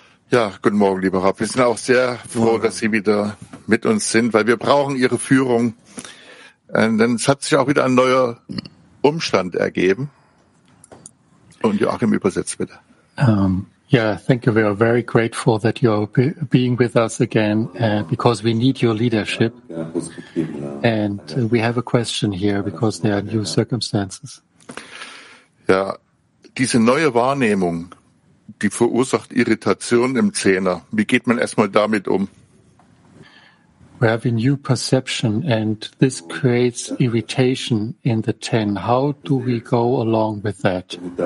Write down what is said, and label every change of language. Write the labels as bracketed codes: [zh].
[de] Ja, guten Morgen, lieber Rav. Wir sind auch sehr froh, dass Sie wieder mit uns sind, weil wir brauchen Ihre Führung. Und dann hat sich auch wieder ein neuer Umstand ergeben. Und Joachim übersetzt bitte. [en] Yeah, thank you. We are very grateful that you're being with us again, because we need your leadership. And we have a question here because there are new circumstances. [de] Ja, diese neue Wahrnehmung, die verursacht Irritation im Zehner. Wie geht man erstmal damit um? [en] We have a new perception and this creates irritation in the ten. How do we go along with that?